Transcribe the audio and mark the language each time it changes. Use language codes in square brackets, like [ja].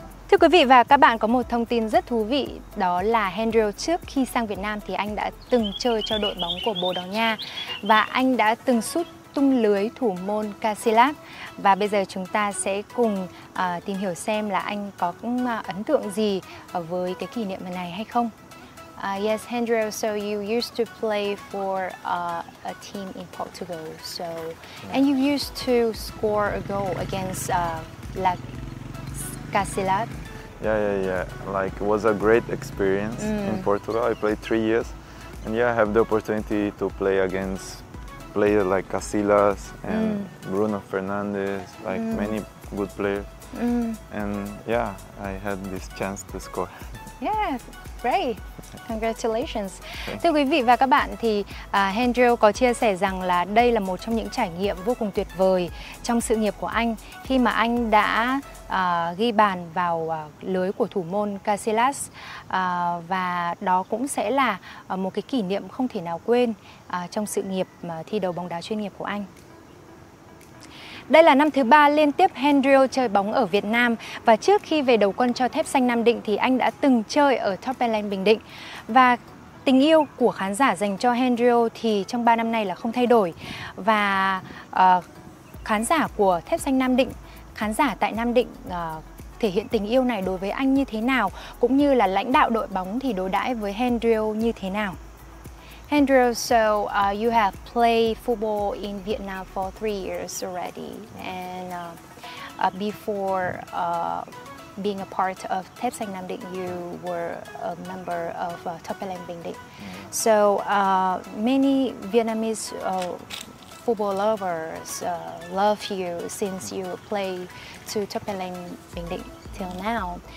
[vi] Thưa quý vị và các bạn, có một thông tin rất thú vị, đó là Hendrio trước khi sang Việt Nam thì anh đã từng chơi cho đội bóng của Bồ Đào Nha, và anh đã từng sút tung lưới thủ môn Casillas. Và bây giờ chúng ta sẽ cùng tìm hiểu xem là anh có ấn tượng gì với cái kỷ niệm này hay không. [en] Yes, Hendrio, so you used to play for a team in Portugal, so and you used to score a goal against La Casillas. Yeah. Like, it was a great experience in Portugal. I played 3 years, and yeah, I have the opportunity to play against players like Casillas and Bruno Fernandes, like many good players. And yeah, I had this chance to score. Yes, great. Congratulations. [vi] Thưa quý vị và các bạn, thì Hendrio có chia sẻ rằng là đây là một trong những trải nghiệm vô cùng tuyệt vời trong sự nghiệp của anh, khi mà anh đã ghi bàn vào lưới của thủ môn Casillas, và đó cũng sẽ là một cái kỷ niệm không thể nào quên trong sự nghiệp thi đấu bóng đá chuyên nghiệp của anh. Đây là năm thứ 3 liên tiếp Hendrio chơi bóng ở Việt Nam, và trước khi về đầu quân cho Thép Xanh Nam Định thì anh đã từng chơi ở Topland Bình Định. Và tình yêu của khán giả dành cho Hendrio thì trong 3 năm nay là không thay đổi. Và khán giả của Thép Xanh Nam Định, khán giả tại Nam Định thể hiện tình yêu này đối với anh như thế nào, cũng như là lãnh đạo đội bóng thì đối đãi với Hendrio như thế nào? [en] Hendrio, so you have played football in Vietnam for 3 years already, and before being a part of Thép Xanh Nam Định, you were a member of Topland Bình Định. So many Vietnamese football lovers love you since you played to Topland Bình Định till now.